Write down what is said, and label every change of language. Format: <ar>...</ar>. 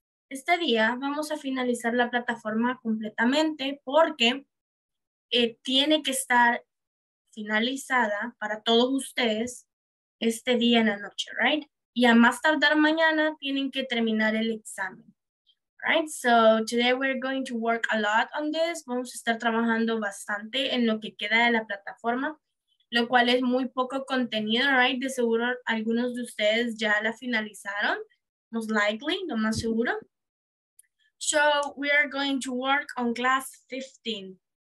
<es>Este día vamos a finalizar la plataforma completamente porque tiene que estar finalizada para todos ustedes este día en la noche, right? Y a más tardar mañana tienen que terminar el examen, right?</es> <en>So today we're going to work a lot on this.</en> <es>Vamos a estar trabajando bastante en lo que queda de la plataforma, lo cual es muy poco contenido, right? De seguro algunos de ustedes ya la finalizaron,</es> <en>most likely,</en> <es>lo más seguro.</es> <en>So we are going to work on class 15.</en>